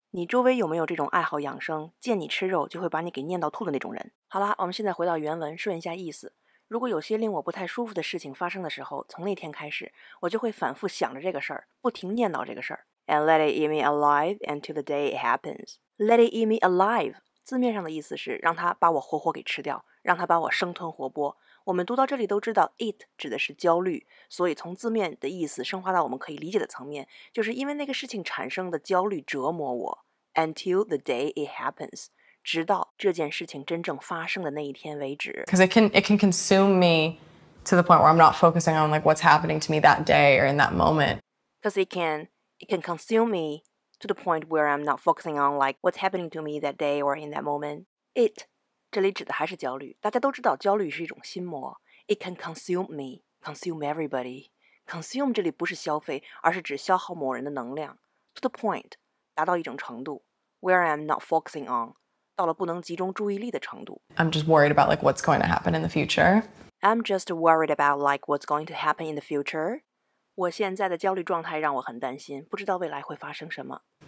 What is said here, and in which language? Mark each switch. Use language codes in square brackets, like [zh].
[zh] 你周围有没有这种爱好养生，见你吃肉就会把你给念到吐的那种人。好啦，我们现在回到原文，顺一下意思。如果有些令我不太舒服的事情发生的时候，从那天开始，我就会反复想着这个事儿，不停念叨这个事儿。 [en] And let it eat me alive until the day it happens. Let it eat me alive. [zh] 字面上的意思是让它把我活活给吃掉，让它把我生吞活剥。我们读到这里都知道 ，it 指的是焦虑，所以从字面的意思升华到我们可以理解的层面，就是因为那个事情产生的焦虑折磨我。 [en] Until the day it happens. [zh] 直到这件事情真正发生的那一天为止。 [en] Because it can consume me to the point where I'm not focusing on like what's happening to me that day or in that moment. Because it can consume me to the point where I'm not focusing on like what's happening to me that day or in that moment. [zh] It, 这里指的还是焦虑。大家都知道焦虑是一种心魔。 [en] It can consume me, consume everybody. [zh] Consume 这里不是消费，而是指消耗某人的能量。 [en] To the point, [zh] 达到一种程度。 [en] Where I'm not focusing on, [zh] 到了不能集中注意力的程度。 [en] I'm just worried about like what's going to happen in the future. I'm just worried about like what's going to happen in the future. [zh] 我现在的焦虑状态让我很担心，不知道未来会发生什么。